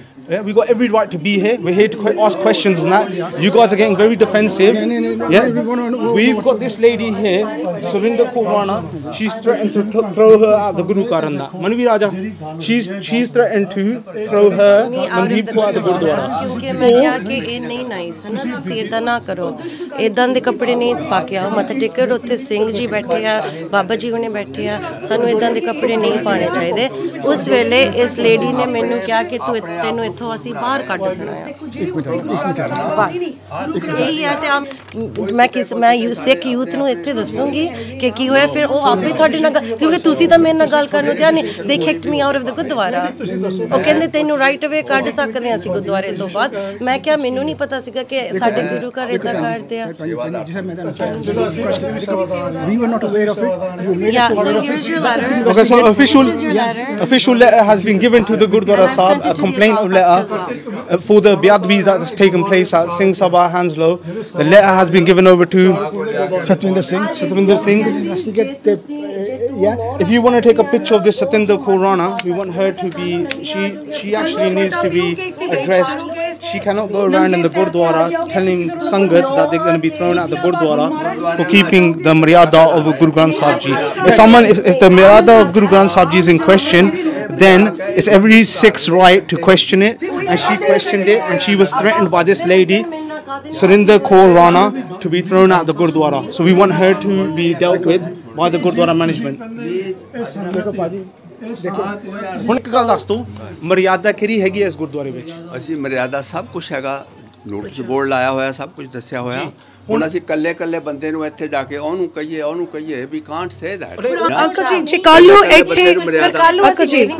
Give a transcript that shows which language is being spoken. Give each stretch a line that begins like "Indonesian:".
English: Yeah, we got every right to be here. We're here to ask questions and that. You guys are getting very defensive. Yeah? We've got this lady here, Surinder Kurana. She's threatened to throw her out of the Gurdwara. Manvi Raja, she's threatened to throw her Mandeep Kaur out of the Gurdwara.
Punjabi: ਇਦਾਂ ਦੇ ਕੱਪੜੇ ਨਹੀਂ ਪਾ ਕੇ ਆਓ ਮੱਥੇ taker ਉੱਥੇ ਸਿੰਘ ਜੀ ਬੈਠੇ ਆ ਬਾਬਾ ਜੀ ਹੁਣੇ ਬੈਠੇ ਆ ਸਾਨੂੰ ਇਦਾਂ ਦੇ ਕੱਪੜੇ ਨਹੀਂ ਪਾਉਣੇ ਚਾਹੀਦੇ ਉਸ ਵੇਲੇ ਇਸ ਲੇਡੀ ਨੇ ਮੈਨੂੰ ਕਿਹਾ ਕਿ ਤੂੰ ਤੈਨੂੰ ਇੱਥੋਂ ਅਸੀਂ ਬਾਹਰ ਕੱਢ ਦੇਣਾ ਆ ਇਹੀ ਆ ਤੇ ਮੈਂ ਸਿੱਖ ਯੂਥ ਨੂੰ ਇੱਥੇ ਦੱਸੂੰਗੀ ਕਿ ਕੀ ਹੋਇਆ ਫਿਰ ਉਹ ਆਪੇ ਤੁਹਾਡੇ ਨਾਲ ਕਿਉਂਕਿ ਤੁਸੀਂ ਤਾਂ ਮੇਰੇ ਨਾਲ ਗੱਲ ਕਰਨ ਨੂੰ ਦਿਆ ਨਹੀਂ
English: ਦੇ kicked me out of the gurdwara
Punjabi: ਉਹ ਕਹਿੰਦੇ ਤੈਨੂੰ
English: right away
Punjabi: ਕੱਢ ਸਕਦੇ ਹਾਂ ਅਸੀਂ ਗੁਰਦੁਆਰੇ ਤੋਂ ਬਾਅਦ ਮੈਂ ਕਿਹਾ ਮੈਨੂੰ ਨਹੀਂ ਪਤਾ ਸੀਗਾ ਕਿ ਸਾਡੇ ਗੁਰੂ ਘਰ ਇੱਦਾਂ ਕਰਦੇ ਆ
English: Okay, so official letter has been given to the Gurdwara Sahib, a complaint of letter for the biadabi that has taken place at SINGH SABHA, Hounslow. The letter has been given over to Satwinder Singh. Yeah. If you want to take a picture of this Satwinder Kurana, we want her to be, she actually needs to be addressed. She cannot go around in the Gurdwara telling Sangat that they're going to be thrown out of the Gurdwara for keeping the Maryada of Guru Granth Sahib Ji. If the Maryada of Guru Granth Sahib Ji is in question, then it's every Sikh's right to question it. And she questioned it and she was threatened by this lady, Surinder Kaur Rana, to be thrown out of the Gurdwara. So we want her to be dealt with by the Gurdwara management.
Punjabi: ਹੁਣ ਇੱਕ ਗੱਲ ਦੱਸ ਤੂੰ ਮਰਿਆਦਾ ਕਿਹੜੀ ਹੈਗੀ ਇਸ ਗੁਰਦੁਆਰੇ ਵਿੱਚ ਅਸੀਂ ਮਰਿਆਦਾ ਸਭ ਕੁਛ ਹੈਗਾ ਨੋਟਿਸ ਬੋਰਡ ਲਾਇਆ ਹੋਇਆ ਸਭ ਕੁਛ ਦੱਸਿਆ ਹੋਇਆ ਹੁਣ ਅਸੀਂ ਕੱਲੇ ਕੱਲੇ ਬੰਦੇ ਨੂੰ ਇੱਥੇ ਜਾ ਕੇ ਉਹਨੂੰ ਕਹੀਏ
English: ਵੀ can't say that
Punjabi: ਅੰਕਲ ਜੀ ਜੇ ਕੱਲ ਨੂੰ ਇੱਥੇ ਫਿਰ ਕੱਲ ਨੂੰ ਅਸੀਂ ਬੇਨਿੰਗ